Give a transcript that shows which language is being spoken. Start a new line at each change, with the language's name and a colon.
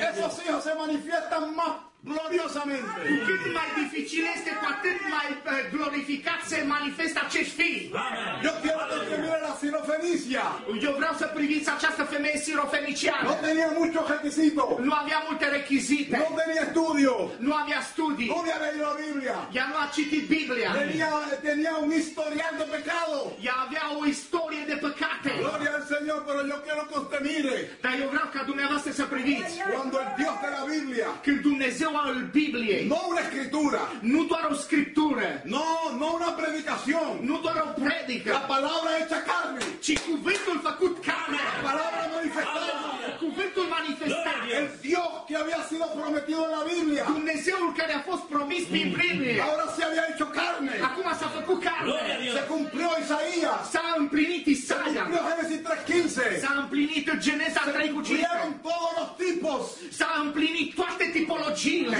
Spanish: Esos hijos se manifiestan más gloriosamente.
Romanian: Cu cât mai dificil este, cu atât mai glorificat se manifestă acești fii.
Spanish: Yo quiero que te mire la sirofenicia.
Romanian: Eu vreau să priviți această femeie sirofeniciană.
Spanish: No tenía muchos requisitos.
Romanian: Nu avea multe rechizite.
Spanish: No tenía estudio.
Romanian: Nu avea studii.
Spanish: No había leído la Biblia.
Romanian: Ea nu a citit Biblia.
Spanish: Tenía un historial de pecado.
Romanian: Ea avea o istorie de păcate.
Spanish: Gloria al Señor, pero yo quiero que te mire.
Romanian: Dar eu vreau ca dumneavoastră să priviți.
Spanish: Cuando el Dios de la Biblia.
Romanian: Când Dumnezeu al Biblie.
Spanish: No una escritura.
Romanian: Nu doar o scriptură.
Spanish: No una predicación.
Romanian: Nu doar o predică.
Spanish: La palabra hecha carne.
Romanian: Ci cuvântul făcut carne.
Spanish: La palabra manifestada.
Romanian: Cuvântul manifestat.
Spanish: El Dios que había sido prometido en la Biblia.
Romanian: Dumnezeul care a fost promis prin Biblie.
Spanish: Ahora se había hecho carne.
Romanian: Acum s-a făcut carne.
Spanish: Se cumplió Isaías.
Romanian: S-a împlinit Isaia.
Spanish: Se cumplió Génesis 3:15.
Romanian: S-a împlinit Geneza 3:15.
Spanish: Se cumplieron todos los tipos.
Romanian: S-a împlinit toate tipologiile.